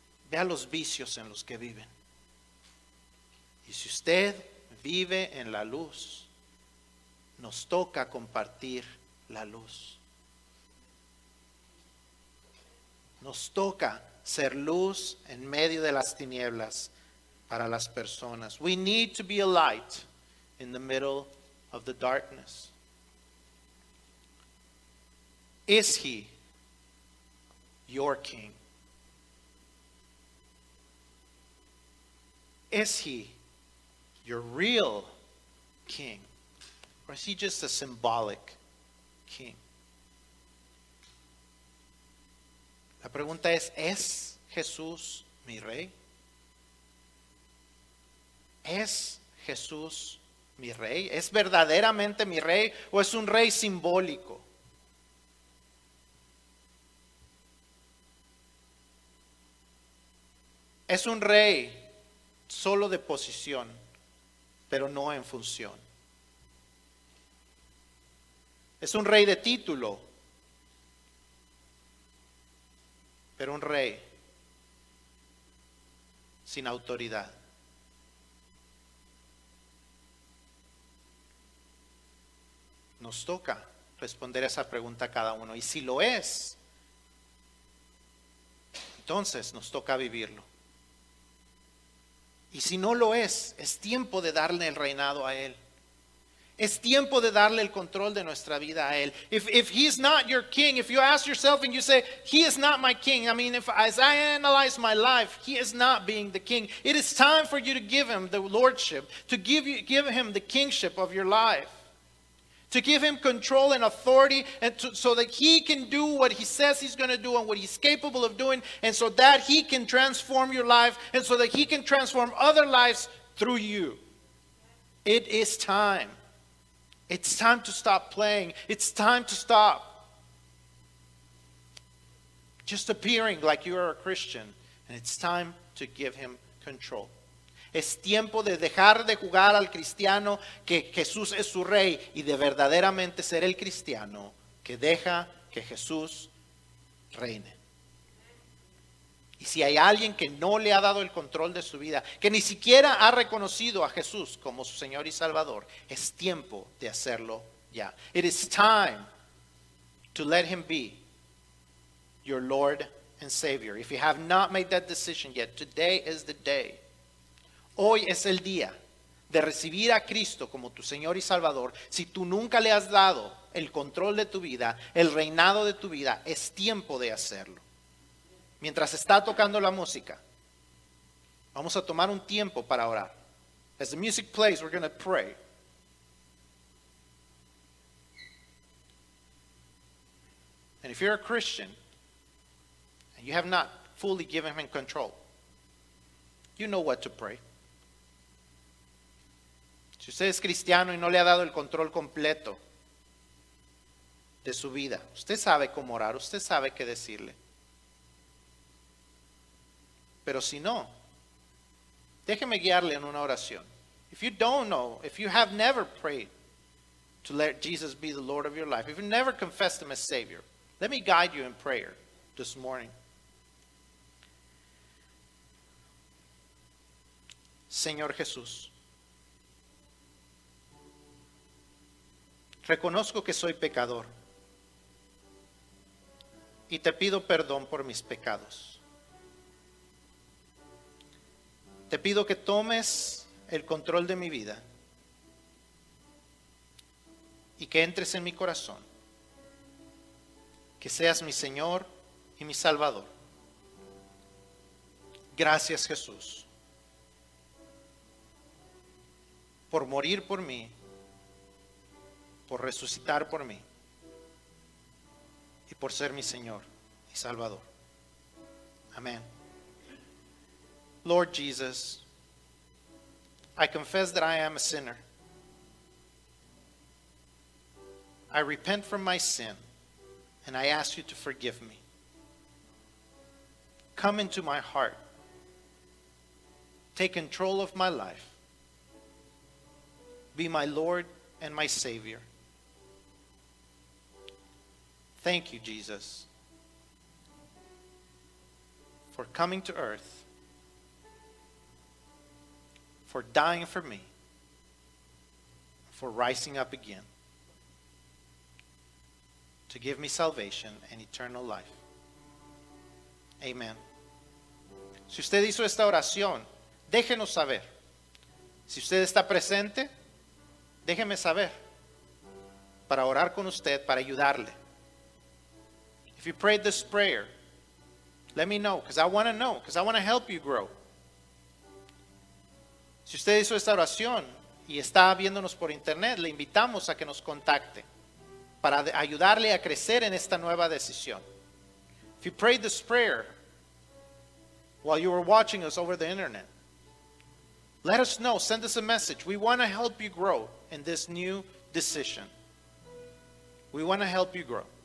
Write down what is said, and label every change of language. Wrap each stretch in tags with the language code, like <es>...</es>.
<es>Vea los vicios en los que viven. Y si usted vive en la luz, nos toca compartir la luz. Nos toca ser luz en medio de las tinieblas para las personas.</es> <en>We need to be a light in the middle of the darkness. Is he your king? Is he your real king? Or is he just a symbolic king?</en> <es>La pregunta ¿es Jesús mi rey? ¿Es Jesús mi rey? ¿Es verdaderamente mi rey o es un rey simbólico? Es un rey solo de posición, pero no en función. Es un rey de título, pero un rey sin autoridad. Nos toca responder esa pregunta a cada uno. Y si lo es, entonces nos toca vivirlo. Y si no lo es tiempo de darle el reinado a Él. Es tiempo de darle el control de nuestra vida a Él.</es> <en>If He's not your king, if you ask yourself and you say, He is not my king. I mean, as I analyze my life, He is not being the king. It is time for you to give Him the lordship, to give Him the kingship of your life. To give Him control and authority and so that He can do what He says He's going to do and what He's capable of doing. And so that He can transform your life and so that He can transform other lives through you. It is time. It's time to stop playing. It's time to stop just appearing like you are a Christian. And it's time to give Him control.</en> <es>Es tiempo de dejar de jugar al cristiano que Jesús es su rey y de verdaderamente ser el cristiano que deja que Jesús reine. Y si hay alguien que no le ha dado el control de su vida, que ni siquiera ha reconocido a Jesús como su Señor y Salvador, es tiempo de hacerlo ya.</es> <en>It is time to let Him be your Lord and Savior. If you have not made that decision yet, today is the day.</en> <es>Hoy es el día de recibir a Cristo como tu Señor y Salvador. Si tú nunca le has dado el control de tu vida, el reinado de tu vida, es tiempo de hacerlo. Mientras está tocando la música, vamos a tomar un tiempo para orar.</es> <en>As the music plays, we're going to pray. And if you're a Christian, and you have not fully given Him control, you know what to pray.</en> <es>Si usted es cristiano y no le ha dado el control completo de su vida, usted sabe cómo orar, usted sabe qué decirle. Pero si no, déjeme guiarle en una oración.</es> <en>If you don't know, if you have never prayed to let Jesus be the Lord of your life, if you never confessed Him as Savior, let me guide you in prayer this morning.</en> <es>Señor Jesús, reconozco que soy pecador y te pido perdón por mis pecados. Te pido que tomes el control de mi vida y que entres en mi corazón, que seas mi Señor y mi Salvador. Gracias, Jesús, por morir por mí, por resucitar por mí y por ser mi Señor y Salvador. Amén.</es> <en>Lord Jesus, I confess that I am a sinner. I repent from my sin and I ask you to forgive me. Come into my heart. Take control of my life. Be my Lord and my Savior. Thank you, Jesus, for coming to earth, for dying for me, for rising up again, to give me salvation and eternal life. Amen.</en> <es>Si usted hizo esta oración, déjenos saber. Si usted está presente, déjeme saber para orar con usted, para ayudarle.</es> <en>If you prayed this prayer, let me know, because I want to know, because I want to help you grow.</en> <es>Si usted hizo esta oración y está viéndonos por internet, le invitamos a que nos contacte para ayudarle a crecer en esta nueva decisión.</es> <en>If you prayed this prayer while you were watching us over the internet, let us know, send us a message. We want to help you grow in this new decision. We want to help you grow.</en>